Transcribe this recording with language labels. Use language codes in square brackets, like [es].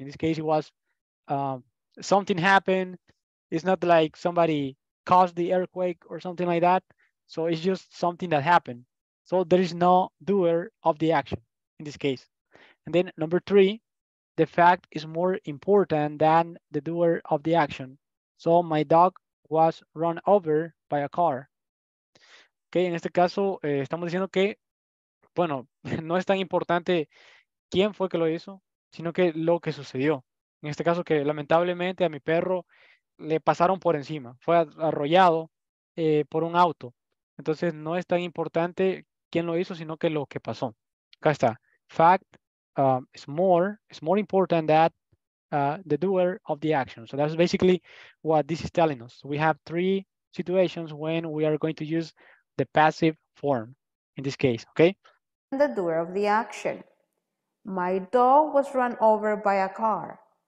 [en] In this case, it was something happened. It's not like somebody caused the earthquake or something like that. So it's just something that happened. So there is no doer of the action in this case. And then number three, the fact is more important than the doer of the action. So my dog was run over by a car. [es] Okay, en este caso estamos diciendo que, bueno, no es tan importante quién fue que lo hizo, sino que lo que sucedió. En este caso que lamentablemente a mi perro le pasaron por encima, fue arrollado por un auto. Entonces no es tan importante quién lo hizo, sino que lo que pasó. Acá está. [en] Fact is more important that the doer of the action. So that's basically what this is telling us. We have three situations when we are going to use the passive form in this case, okay? The doer of the action. My dog was run over by a car.